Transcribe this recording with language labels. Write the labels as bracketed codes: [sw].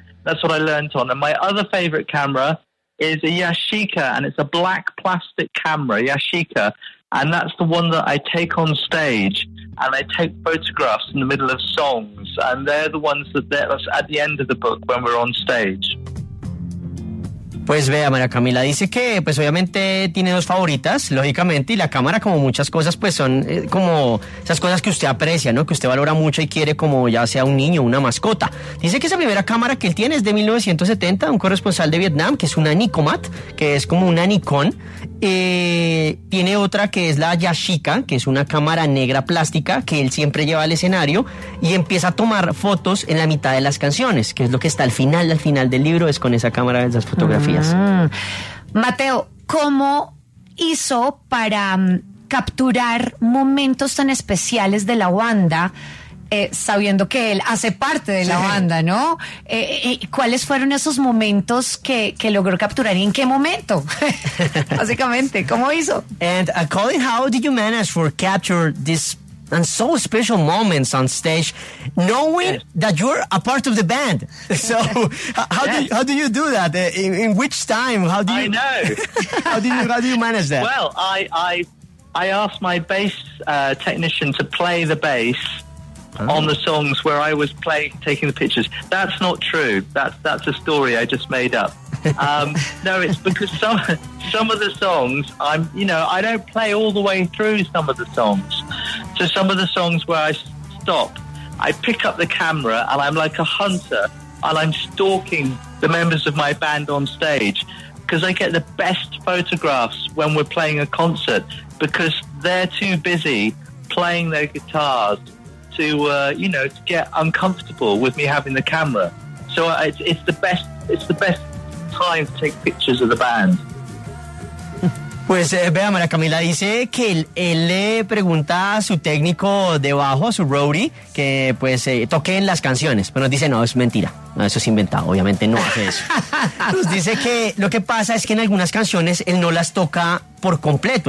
[en] That's what I learned on. And my other favorite camera is a Yashica, and it's a black plastic camera, Yashica. And that's the one that I take on stage, and I take photographs in the middle of songs. And they're the ones that's at the end of the book when we're on stage. [es] Pues vea, María Camila dice que pues obviamente tiene dos favoritas, lógicamente, y la cámara, como muchas cosas, pues son como esas cosas que usted aprecia, ¿no? Que usted valora mucho y quiere, como ya sea un niño, una mascota. Dice que esa primera cámara que él tiene es de 1970, un corresponsal de Vietnam, que es una Nikomat, que es como una Nikon. Tiene otra que es la Yashica, que es una cámara negra plástica que él siempre lleva al escenario y empieza a tomar fotos en la mitad de las canciones, que es lo que está al final del libro, es con esa cámara de esas fotografías. Mateo, ¿cómo hizo para capturar momentos tan especiales de la banda sabiendo que él hace parte de la banda, ¿no? ¿Y cuáles fueron esos momentos que logró capturar y en qué momento? Básicamente, ¿cómo hizo? [en] And Colin, how did you manage for capture this and so special moments on stage, knowing that you're a part of the band? So how do you do that? In which time? How do you manage that? Well, I asked my bass technician to play the bass on the songs where I was playing, taking the pictures. That's not true. That's a story I just made up. No, it's because some of the songs, I don't play all the way through some of the songs. So some of the songs where I stop, I pick up the camera and I'm like a hunter and I'm stalking the members of my band on stage because I get the best photographs when we're playing a concert because they're too busy playing their guitars to get uncomfortable with me having the camera. So it's the best time to take pictures of the band. [es] Pues vea, María Camila dice que él le pregunta a su técnico de bajo, a su roadie, que pues toque en las canciones. Pero nos dice, no, es mentira. No, eso es inventado. Obviamente no hace eso. Nos dice que lo que pasa es que en algunas canciones él no las toca por completo.